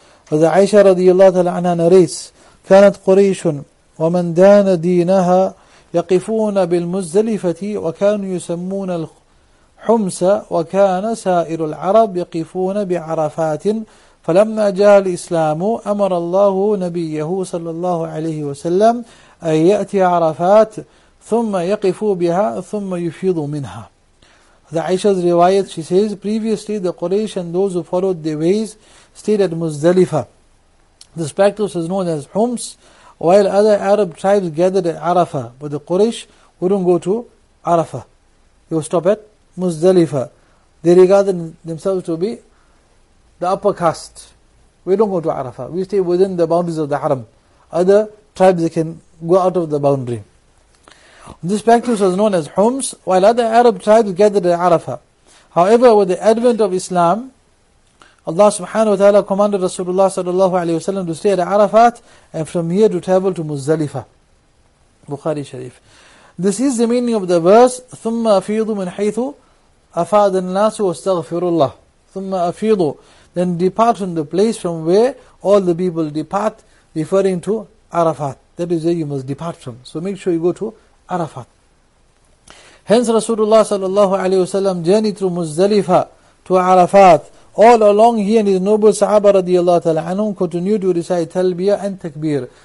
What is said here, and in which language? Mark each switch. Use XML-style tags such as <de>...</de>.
<en>As Aisha radiallahu ta'ala anha narrates,</en> <ar>كانت قريش ومن دان دينها يقفون بالمزدلفة وكانوا يسمون الحمس وكان سائر العرب يقفون بعرفات فلما جاء الإسلام أمر الله نبيه صلى الله عليه وسلم أن يأتي عرفات ثم يقف بها ثم يفيض منها.</ar> <en>The Aisha's riwayat, she says, previously the Quraysh and those who followed their ways stayed at Muzdalifa. This practice was known as Humps, while other Arab tribes gathered at Arafah, but the Quraysh wouldn't go to Arafah. They would stop at Muzdalifa. They regarded themselves to be the upper caste. We don't go to Arafah. We stay within the boundaries of the Haram. Other tribes, they can go out of the boundary. This practice was known as Humps, while other Arab tribes gathered at Arafah. However, with the advent of Islam, Allah subhanahu wa ta'ala commanded Rasulullah sallallahu alayhi wa sallam to stay at Arafat and from here to travel to Muzdalifah. Bukhari Sharif. This is the meaning of the verse,</en> <ar>ثُمَّ أَفِيضُ مِنْ حَيْثُ أَفَادَ النَّاسُ وَاسْتَغْفِرُ اللَّهُ ثُمَّ أَفِيضُ.</ar> <en>Then depart from the place from where all the people depart, referring to Arafat. That is where you must depart from. So make sure you go to Arafat. Hence Rasulullah sallallahu alayhi wa sallam journeyed through Muzdalifah to Arafat. All along he and his noble Sahaba radiallahu ta'ala anhum continued to recite Talbiyah and Takbir.</en>